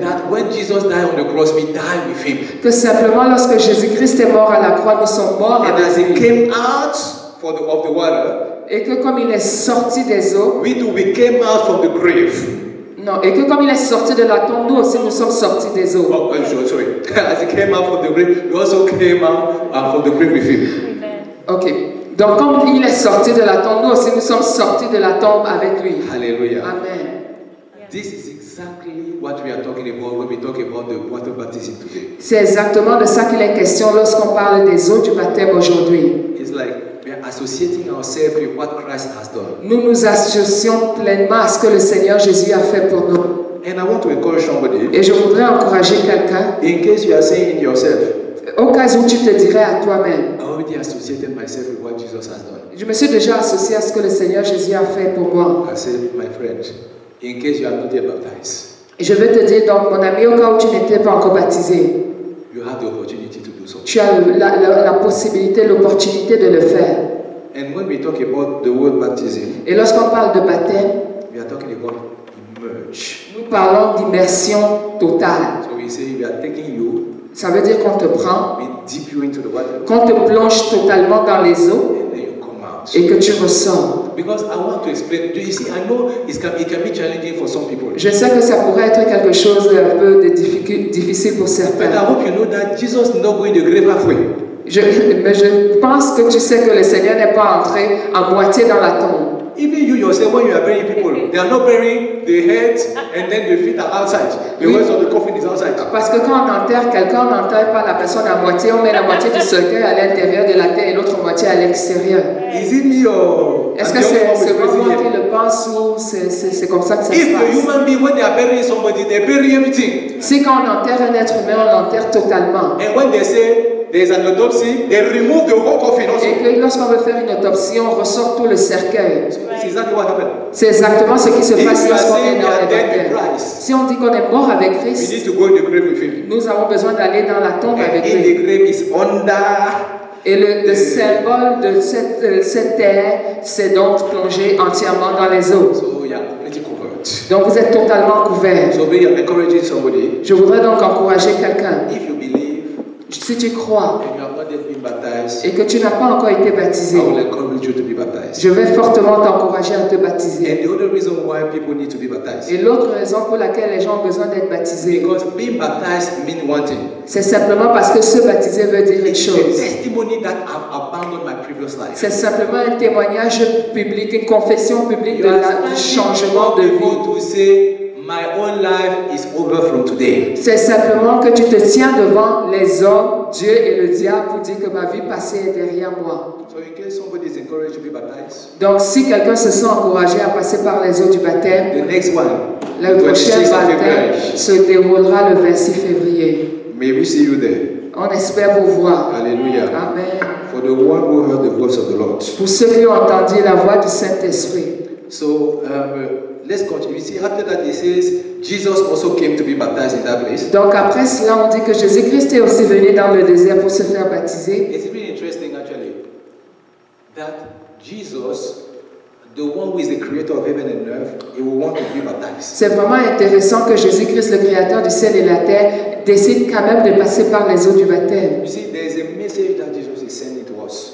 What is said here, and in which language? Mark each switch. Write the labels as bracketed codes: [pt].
[en] That when Jesus died on the cross, we died with him. [fr] Que simplement lorsque Jésus-Christ est mort à la croix, nous sommes morts [en] and [fr] avec [en] as [fr] lui. [en] He came out for the, of the water, [fr] et que comme il est sorti des eaux, [en] we too we came out from the grave. [fr] Non, et que comme il est sorti de la tombe, nous aussi nous sommes sortis des eaux. [en] Oh, sorry. As he came out from the grave, we also came out from the grave with him. Amen. Ok. [fr] Donc comme il est sorti de la tombe, nous aussi nous sommes sortis de la tombe avec lui. Alléluia. Amen. [en] This is exactly what we are talking about when we talk about the water baptism today. [fr] C'est exactement de ça qu'il est question lorsqu'on parle des eaux du baptême aujourd'hui. [en] It's like we are associating ourselves with what Christ has done. [fr] Nous nous associons pleinement à ce que le Seigneur Jésus a fait pour nous. [en] And I want to encourage somebody. [fr] Et je voudrais encourager quelqu'un. [en] In case you are saying yourself. [fr] Au cas où tu te dirais à toi-même. [en] I already associated myself with what Jesus has done. [fr] Je me suis déjà associé à ce que le Seigneur Jésus a fait pour moi. [en] I said, my friend, in case you are not yet baptized. [fr] Et je vais te dire donc, mon ami, au cas où tu n'étais pas encore baptisé. [en] You have the opportunity to do so. [fr] Tu as la possibilité, l'opportunité de le faire. [en] And when we talk about the word baptism. [fr] Et lorsqu'on parle de baptême. [en] We are talking about immerge. [fr] Nous parlons d'immersion totale. [en] So we say we are taking you. [fr] Ça veut dire qu'on te prend, [en] deep you into the water, [fr] qu'on te plonge totalement dans les eaux, [en] and then you come out. [fr] Et que tu ressors. [en] Because I want to explain. Do you see? I know it can be challenging for some people. [fr] Je sais que ça pourrait être quelque chose d'un peu de difficile pour certains. [en] But I hope you know that Jesus is not going to grave halfway. [fr] Je pense que tu sais que le Seigneur n'est pas entré à moitié dans la tombe. [en] Even you yourself, when you are burying people, they are not burying the heads and then the feet are outside. The rest of the coffin is outside. [fr] Parce que quand on enterre quelqu'un, on n'enterre pas la personne à moitié. On met la moitié du cercueil à l'intérieur de la terre et l'autre moitié à l'extérieur. [en] Is it me or [fr] est-ce que c'est moi qui le pense ou c'est comme ça que ça [en] if [fr] se passe? [en] If a human being, when they are burying somebody, they bury everything. [fr] Si quand on enterre un être humain, on l'enterre totalement. [en] And when they say there's an autopsy, they remove the whole coffin also. [fr] Et que lorsqu'on veut faire une autopsie, on ressort tout le cercueil. [en] Right. [fr] C'est exactement ce qui se [en] if [fr] passe lorsqu'on est dans [en] le [fr] baptême. Si on dit qu'on est mort avec Christ, [en] we need to go in the grave with him. [fr] Nous avons besoin d'aller dans la tombe [en] and [fr] avec lui. [en] The grave is under [fr] et le symbole de cette terre, c'est donc plonger entièrement dans les eaux. [en] So, yeah, [fr] donc vous êtes totalement couvert. [en] So, encouraging somebody. [fr] Je voudrais donc encourager quelqu'un. [en] If you believe, [fr] si tu crois [en] baptized, [fr] et que tu n'as pas encore été baptisé, [en] I will encourage you to be baptized. [fr] Je vais fortement t'encourager à te baptiser. [en] And the other reason why people need to be baptized. [fr] Et l'autre raison pour laquelle les gens ont besoin d'être baptisés. [en] Because being baptized means one thing. [fr] C'est simplement parce que se baptiser veut dire une chose. [en] It's a testimony that I've abandoned my previous life. [fr] C'est simplement un témoignage public, une confession publique de la, du changement de vie. [en] My own life is over from today. [fr] C'est simplement que tu te tiens devant les hommes, Dieu et le diable, pour dire que ma vie passée est derrière moi. [en] So in case somebody is encouraged to be baptized, [fr] donc si quelqu'un se sent encouragé à passer par les eaux du baptême, [en] the next one, [fr] le prochain baptême se déroulera le 26 février. [en] May we see you there. [fr] On espère vous voir. Alléluia. Amen. [en] For the one who heard the voice of the Lord. [fr] Pour ceux qui ont entendu la voix du Saint-Esprit. [en] So, let's continue. See, after that, it says Jesus also came to be baptized in that place. [fr] Donc après cela, on dit que Jésus-Christ est aussi venu dans le désert pour se faire baptiser. [en] It's really interesting, actually, that Jesus, the one who is the creator of heaven and earth, he will want to be baptized. [fr] C'est vraiment intéressant que Jésus-Christ, le créateur du ciel et de la terre, décide quand même de passer par les eaux du baptême. [en] You see, there is a message that Jesus is sending to us.